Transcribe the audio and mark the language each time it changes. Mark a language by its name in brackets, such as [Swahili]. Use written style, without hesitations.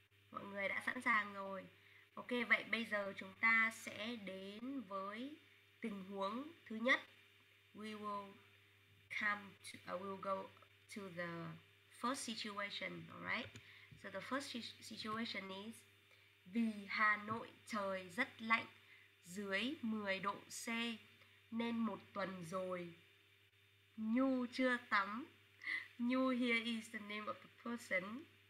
[Vietnamese] Mọi người đã sẵn sàng rồi. Ok, vậy bây giờ chúng ta sẽ đến với tình huống thứ nhất. [English] We will go to the first situation, alright? So the first situation is: [Vietnamese] vì Hà Nội trời rất lạnh, dưới 10 độ C, nên một tuần rồi Nhu chưa tắm. [English] Nhu here is the name of the person.